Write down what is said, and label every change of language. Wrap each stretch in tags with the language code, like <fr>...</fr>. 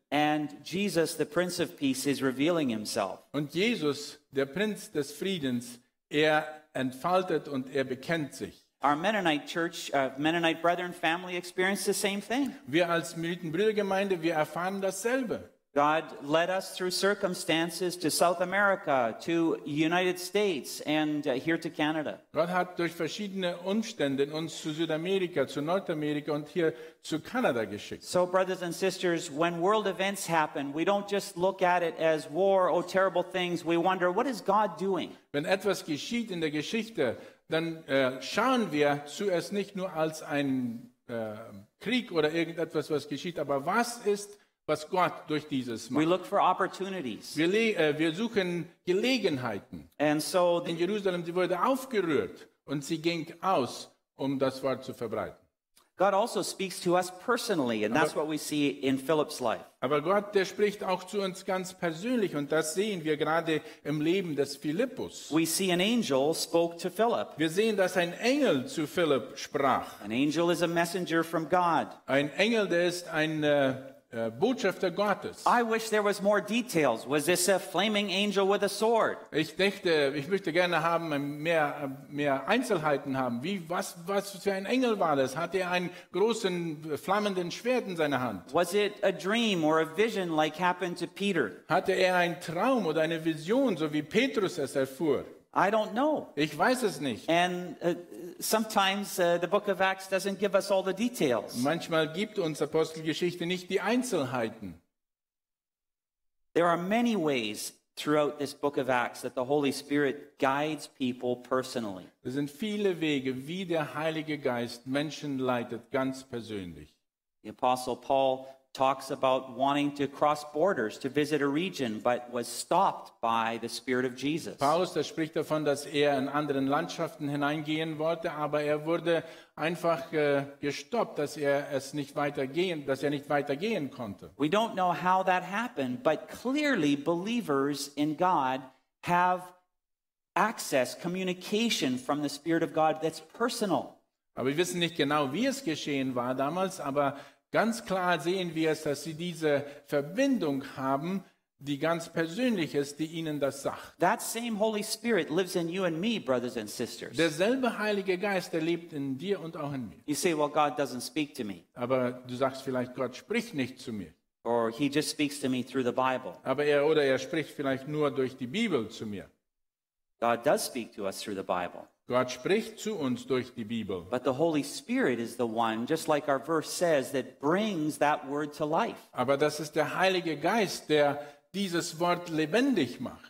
<en>And Jesus, the Prince of Peace, is revealing himself.</en> <de>Und Jesus, der Prinz des Friedens, entfaltet und bekennt sich.</de> <en>Our Mennonite church, Mennonite brethren family experienced the same thing.</en> <de>Wir als Mennonitenbrüdergemeinde, wir erfahren dasselbe.</de> <en>God led us through circumstances to South America, to United States, and here to Canada.</en> <de>Gott hat durch verschiedene Umstände uns zu Südamerika, zu Nordamerika und hier zu Kanada geschickt.</de> <en>So, brothers and sisters, when world events happen, we don't just look at it as war, oh terrible things. We wonder, what is God doing?</en> <de>Wenn etwas geschieht in der Geschichte, dann schauen wir zuerst nicht nur als ein Krieg oder irgendetwas, was geschieht, aber was ist was Gott durch dieses macht.</de> <en>We look for opportunities.</en> <de>Wir suchen Gelegenheiten.</de> <en>And so</en> <de>in Jerusalem, sie wurde aufgerührt und sie ging aus, um das Wort zu verbreiten.</de> <en>God also speaks to us personally, and that's what we see in Philip's life.</en> <de>Aber Gott, der spricht auch zu uns ganz persönlich, und das sehen wir gerade im Leben des Philippus.</de> <en>We see an angel spoke to Philip.</en> <de>Wir sehen, dass ein Engel zu Philip sprach.</de> <en>An angel is a messenger from God.</en> <de>Ein Engel, der ist ein Botschafter Gottes.</de> <en>I wish there was more details. Was this a flaming angel with a sword?</en> <de>Ich möchte gerne haben mehr Einzelheiten haben. Was für ein Engel war das? Hatte er einen großen flammenden Schwert in seiner Hand?</de> <en>Was it a dream or a vision like happened to Peter?</en> <de>Hatte er einen Traum oder eine Vision, so wie Petrus es erfuhr?</de> <en>I don't know.</en> <de>Ich weiß es nicht.</de> <en>And sometimes the book of Acts doesn't give us all the details.</en> <de>Manchmal gibt uns Apostelgeschichte nicht die Einzelheiten.</de> <en>There are many ways throughout this book of Acts that the Holy Spirit guides people personally.</en> <de>Es sind viele Wege, wie der Heilige Geist Menschen leitet, ganz persönlich.</de> <en>The Apostle Paul talks about wanting to cross borders to visit a region, but was stopped by the Spirit of Jesus.</en> <de>Paulus, der spricht davon, dass er in anderen Landschaften hineingehen wollte, aber er wurde einfach gestoppt, dass er nicht weitergehen konnte.</de> <en>We don't know how that happened, but clearly believers in God have access, communication from the Spirit of God that's personal.</en> <de>Aber wir wissen nicht genau, wie es geschehen war damals, aber ganz klar sehen wir es, dass sie diese Verbindung haben, die ganz persönlich ist, die ihnen das sagt.</de> <en>That same Holy Spirit lives in you and me, brothers and sisters.</en> <de>Derselbe Heilige Geist, der lebt in dir und auch in mir.</de> <en>You say, well, God doesn't speak to me.</en> <de>Aber du sagst vielleicht, Gott spricht nicht zu mir.</de> <en>Or he just speaks to me through the Bible.</en> <de>Oder er spricht vielleicht nur durch die Bibel zu mir.</de> <en>God does speak to us through the Bible.</en> <de>Gott spricht zu uns durch die Bibel.</de> <en>But the Holy Spirit is the one, just like our verse says, that brings that word to life.</en> <de>Aber das ist der Heilige Geist, der dieses Wort lebendig macht.</de>